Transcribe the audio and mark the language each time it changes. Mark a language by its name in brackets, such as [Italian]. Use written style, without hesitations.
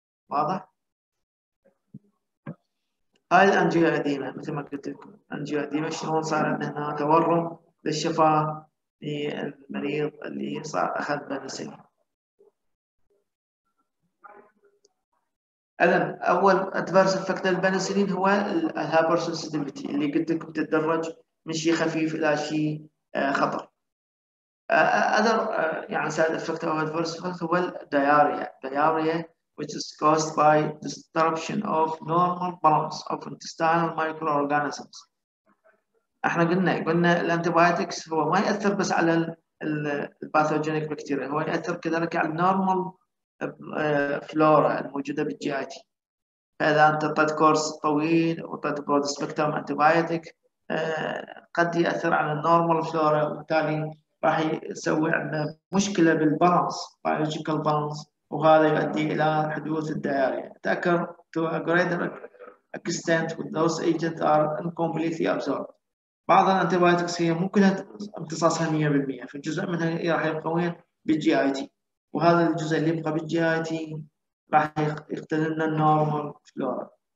[Arabic] واضح؟ هاي الأنجيوديما مثل ما قلت لكم، أنجيوديما شلون صار عندنا هنا تورم للشفاه للمريض اللي صار أخذ بنسلين. الم اول ادفرس افكت البنسلين هو الهايبر سنسيتيفيتي اللي قلت لكم تتدرج من شيء خفيف الى شيء خطر. اذر يعني سايد افكت او ادفرس افكت هو الدياريا، دياريا [English] which is caused by disruption of normal balance of intestinal microorganisms. [Arabic] احنا قلنا الانتيبايوتكس هو ما ياثر بس على الباثوجينيك بكتيريا، هو ياثر كذلك على النورمال فلورا الموجودة بالجاتي. إذا أنت أعطيت كورس طويل وأعطيت برود سبكترم أنتيبايوتيك قد يأثر على النورمال فلورا، وبالتالي راح يسوي عندنا مشكلة بالبالانس، بايولوجيكال بالانس، وهذا يؤدي إلى حدوث الدياريا. [English] تأكل to a greater extent when those agents are incompletely absorbed. [Arabic] بعض الأنتيبايوتكس هي مو كلها امتصاصها 100%، فجزء منها راح يقوين بالجي اي تي، وهذا الجزء اللي يبقى بالجي اي تي راح يقتل لنا النورمال فلورا.